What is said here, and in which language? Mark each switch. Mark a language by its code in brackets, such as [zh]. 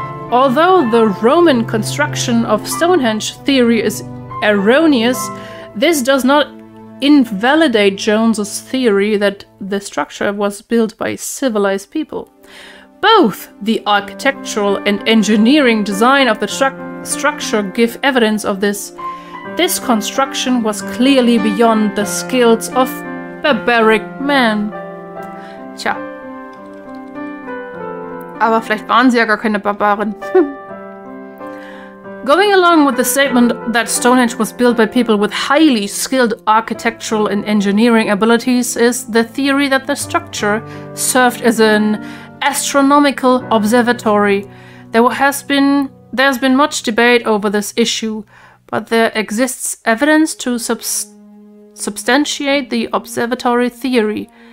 [en] Although the Roman construction of Stonehenge theory is erroneous, this does not invalidate Jones's theory that the structure was built by civilized people. Both the architectural and engineering design of the structure give evidence of this. This construction was clearly beyond the skills of barbaric man. [de] Tja. Aber vielleicht waren sie ja gar keine Barbaren. [en] Going along with the statement that Stonehenge was built by people with highly skilled architectural and engineering abilities is the theory that the structure served as an astronomical observatory. There's been much debate over this issue, but there exists evidence to substantiate the observatory theory.